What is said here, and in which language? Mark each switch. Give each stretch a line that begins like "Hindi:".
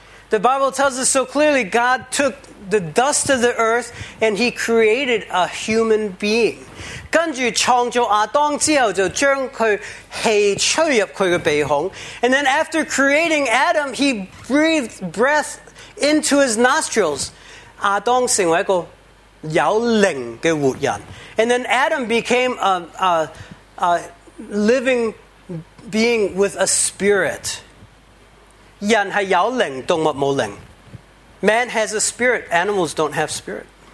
English: The Bible tells us so clearly, God took the dust of the earth and he created a human being.
Chinese: 根據創造亞當之後,就將他氣吹入他的鼻孔.
English: And then after creating Adam, he breathed breath into his nostrils.
Chinese: 亞當成為一個有靈的活人.
English: And then Adam became a living being with a spirit.
Chinese: 人是有靈,動物沒有靈.
English: Man has a spirit, animals don't have spirit.